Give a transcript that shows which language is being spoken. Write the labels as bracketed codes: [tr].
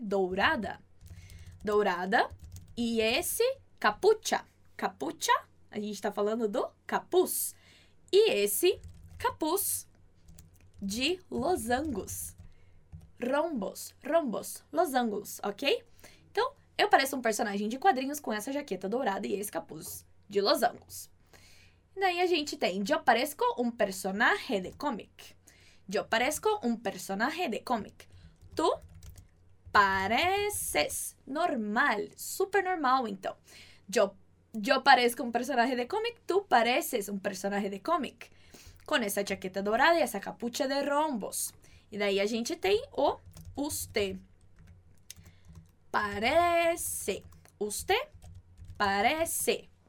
[pt] Dourada, dourada. E esse capucha, capucha, a gente está falando do capuz. E esse capuz de losangos, rombos, rombos, losangos, ok? Então, eu pareço um personagem de quadrinhos com essa jaqueta dourada e esse capuz de losangos. Daí a gente tem, [es] yo parezco un personaje de cómic. Yo parezco un personaje de cómic. Tú pareces normal, super normal, então. Yo parezco un personaje de cómic, tú pareces un personaje de cómic. Con esa chaqueta dorada y esa capucha de rombos. Y [pt] daí a gente tem o [es] usted. Parece. Usted parece.